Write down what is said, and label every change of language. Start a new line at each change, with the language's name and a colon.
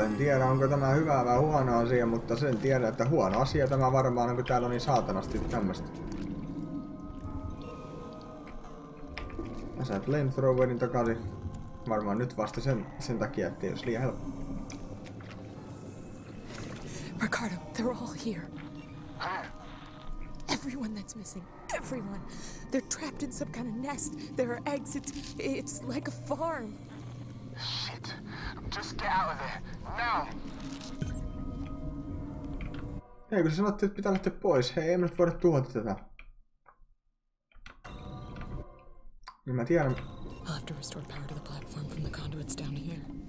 Finnish: En tiedä, onko tämä hyvä vai huono asia, mutta sen tiedän, että huono asia tämä varmaan on, kun täällä on niin saatanasti tämmöstä. Mä sain flamethrowerin takaisin. Varmaan nyt vasta sen takia, ettei olisi liian helppo.
English: Ricardo, they're all here. Huh? Everyone that's missing. Everyone. They're trapped in some kind of nest. There are eggs. It's like a farm. Shit. Just get out of there. Now.
Finnish: Hei, kun sä sanoit, että pitää lähteä pois. Hei, emme nyt voida tuhota tätä. Niin mä tiedän.
English: I'll have to restore power to the platform from the conduits down here.